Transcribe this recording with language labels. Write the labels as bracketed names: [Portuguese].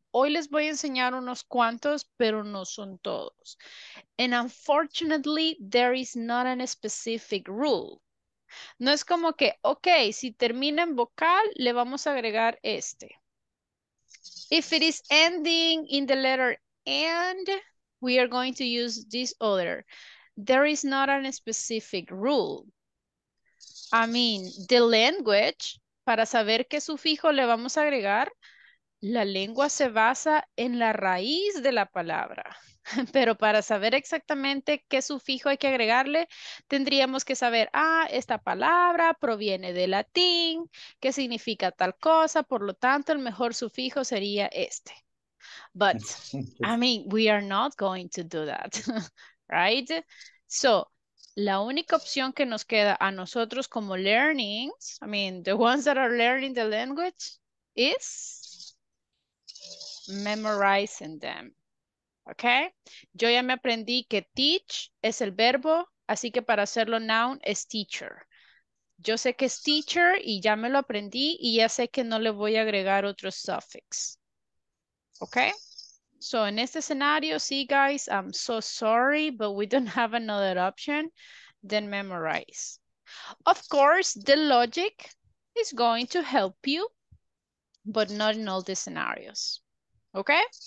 [Spanish] Hoy les voy a enseñar unos cuantos, pero no son todos. [English] And unfortunately, there is not a specific rule. [Spanish] No es como que, ok, si termina en vocal, le vamos a agregar este. [English] If it is ending in the letter AND, we are going to use this other. There is not a specific rule. I mean, the language, [Spanish] para saber qué sufijo le vamos a agregar, la lengua se basa en la raíz de la palabra. Pero para saber exactamente qué sufijo hay que agregarle, tendríamos que saber, ah, esta palabra proviene del latín, qué significa tal cosa, por lo tanto, el mejor sufijo sería este. [English] But, I mean, we are not going to do that, right? So, [Spanish] la única opción que nos queda a nosotros como [English] learnings, I mean, the ones that are learning the language, is memorizing them. Okay? [Spanish] Yo ya me aprendí que teach es el verbo, así que para hacerlo noun es teacher. Yo sé que es teacher y ya me lo aprendí y ya sé que no le voy a agregar otro suffix. Okay? So in este scenario, see guys, I'm so sorry, but we don't have another option than memorize. [English] Of course, the logic is going to help you, but not in all the scenarios. Okay?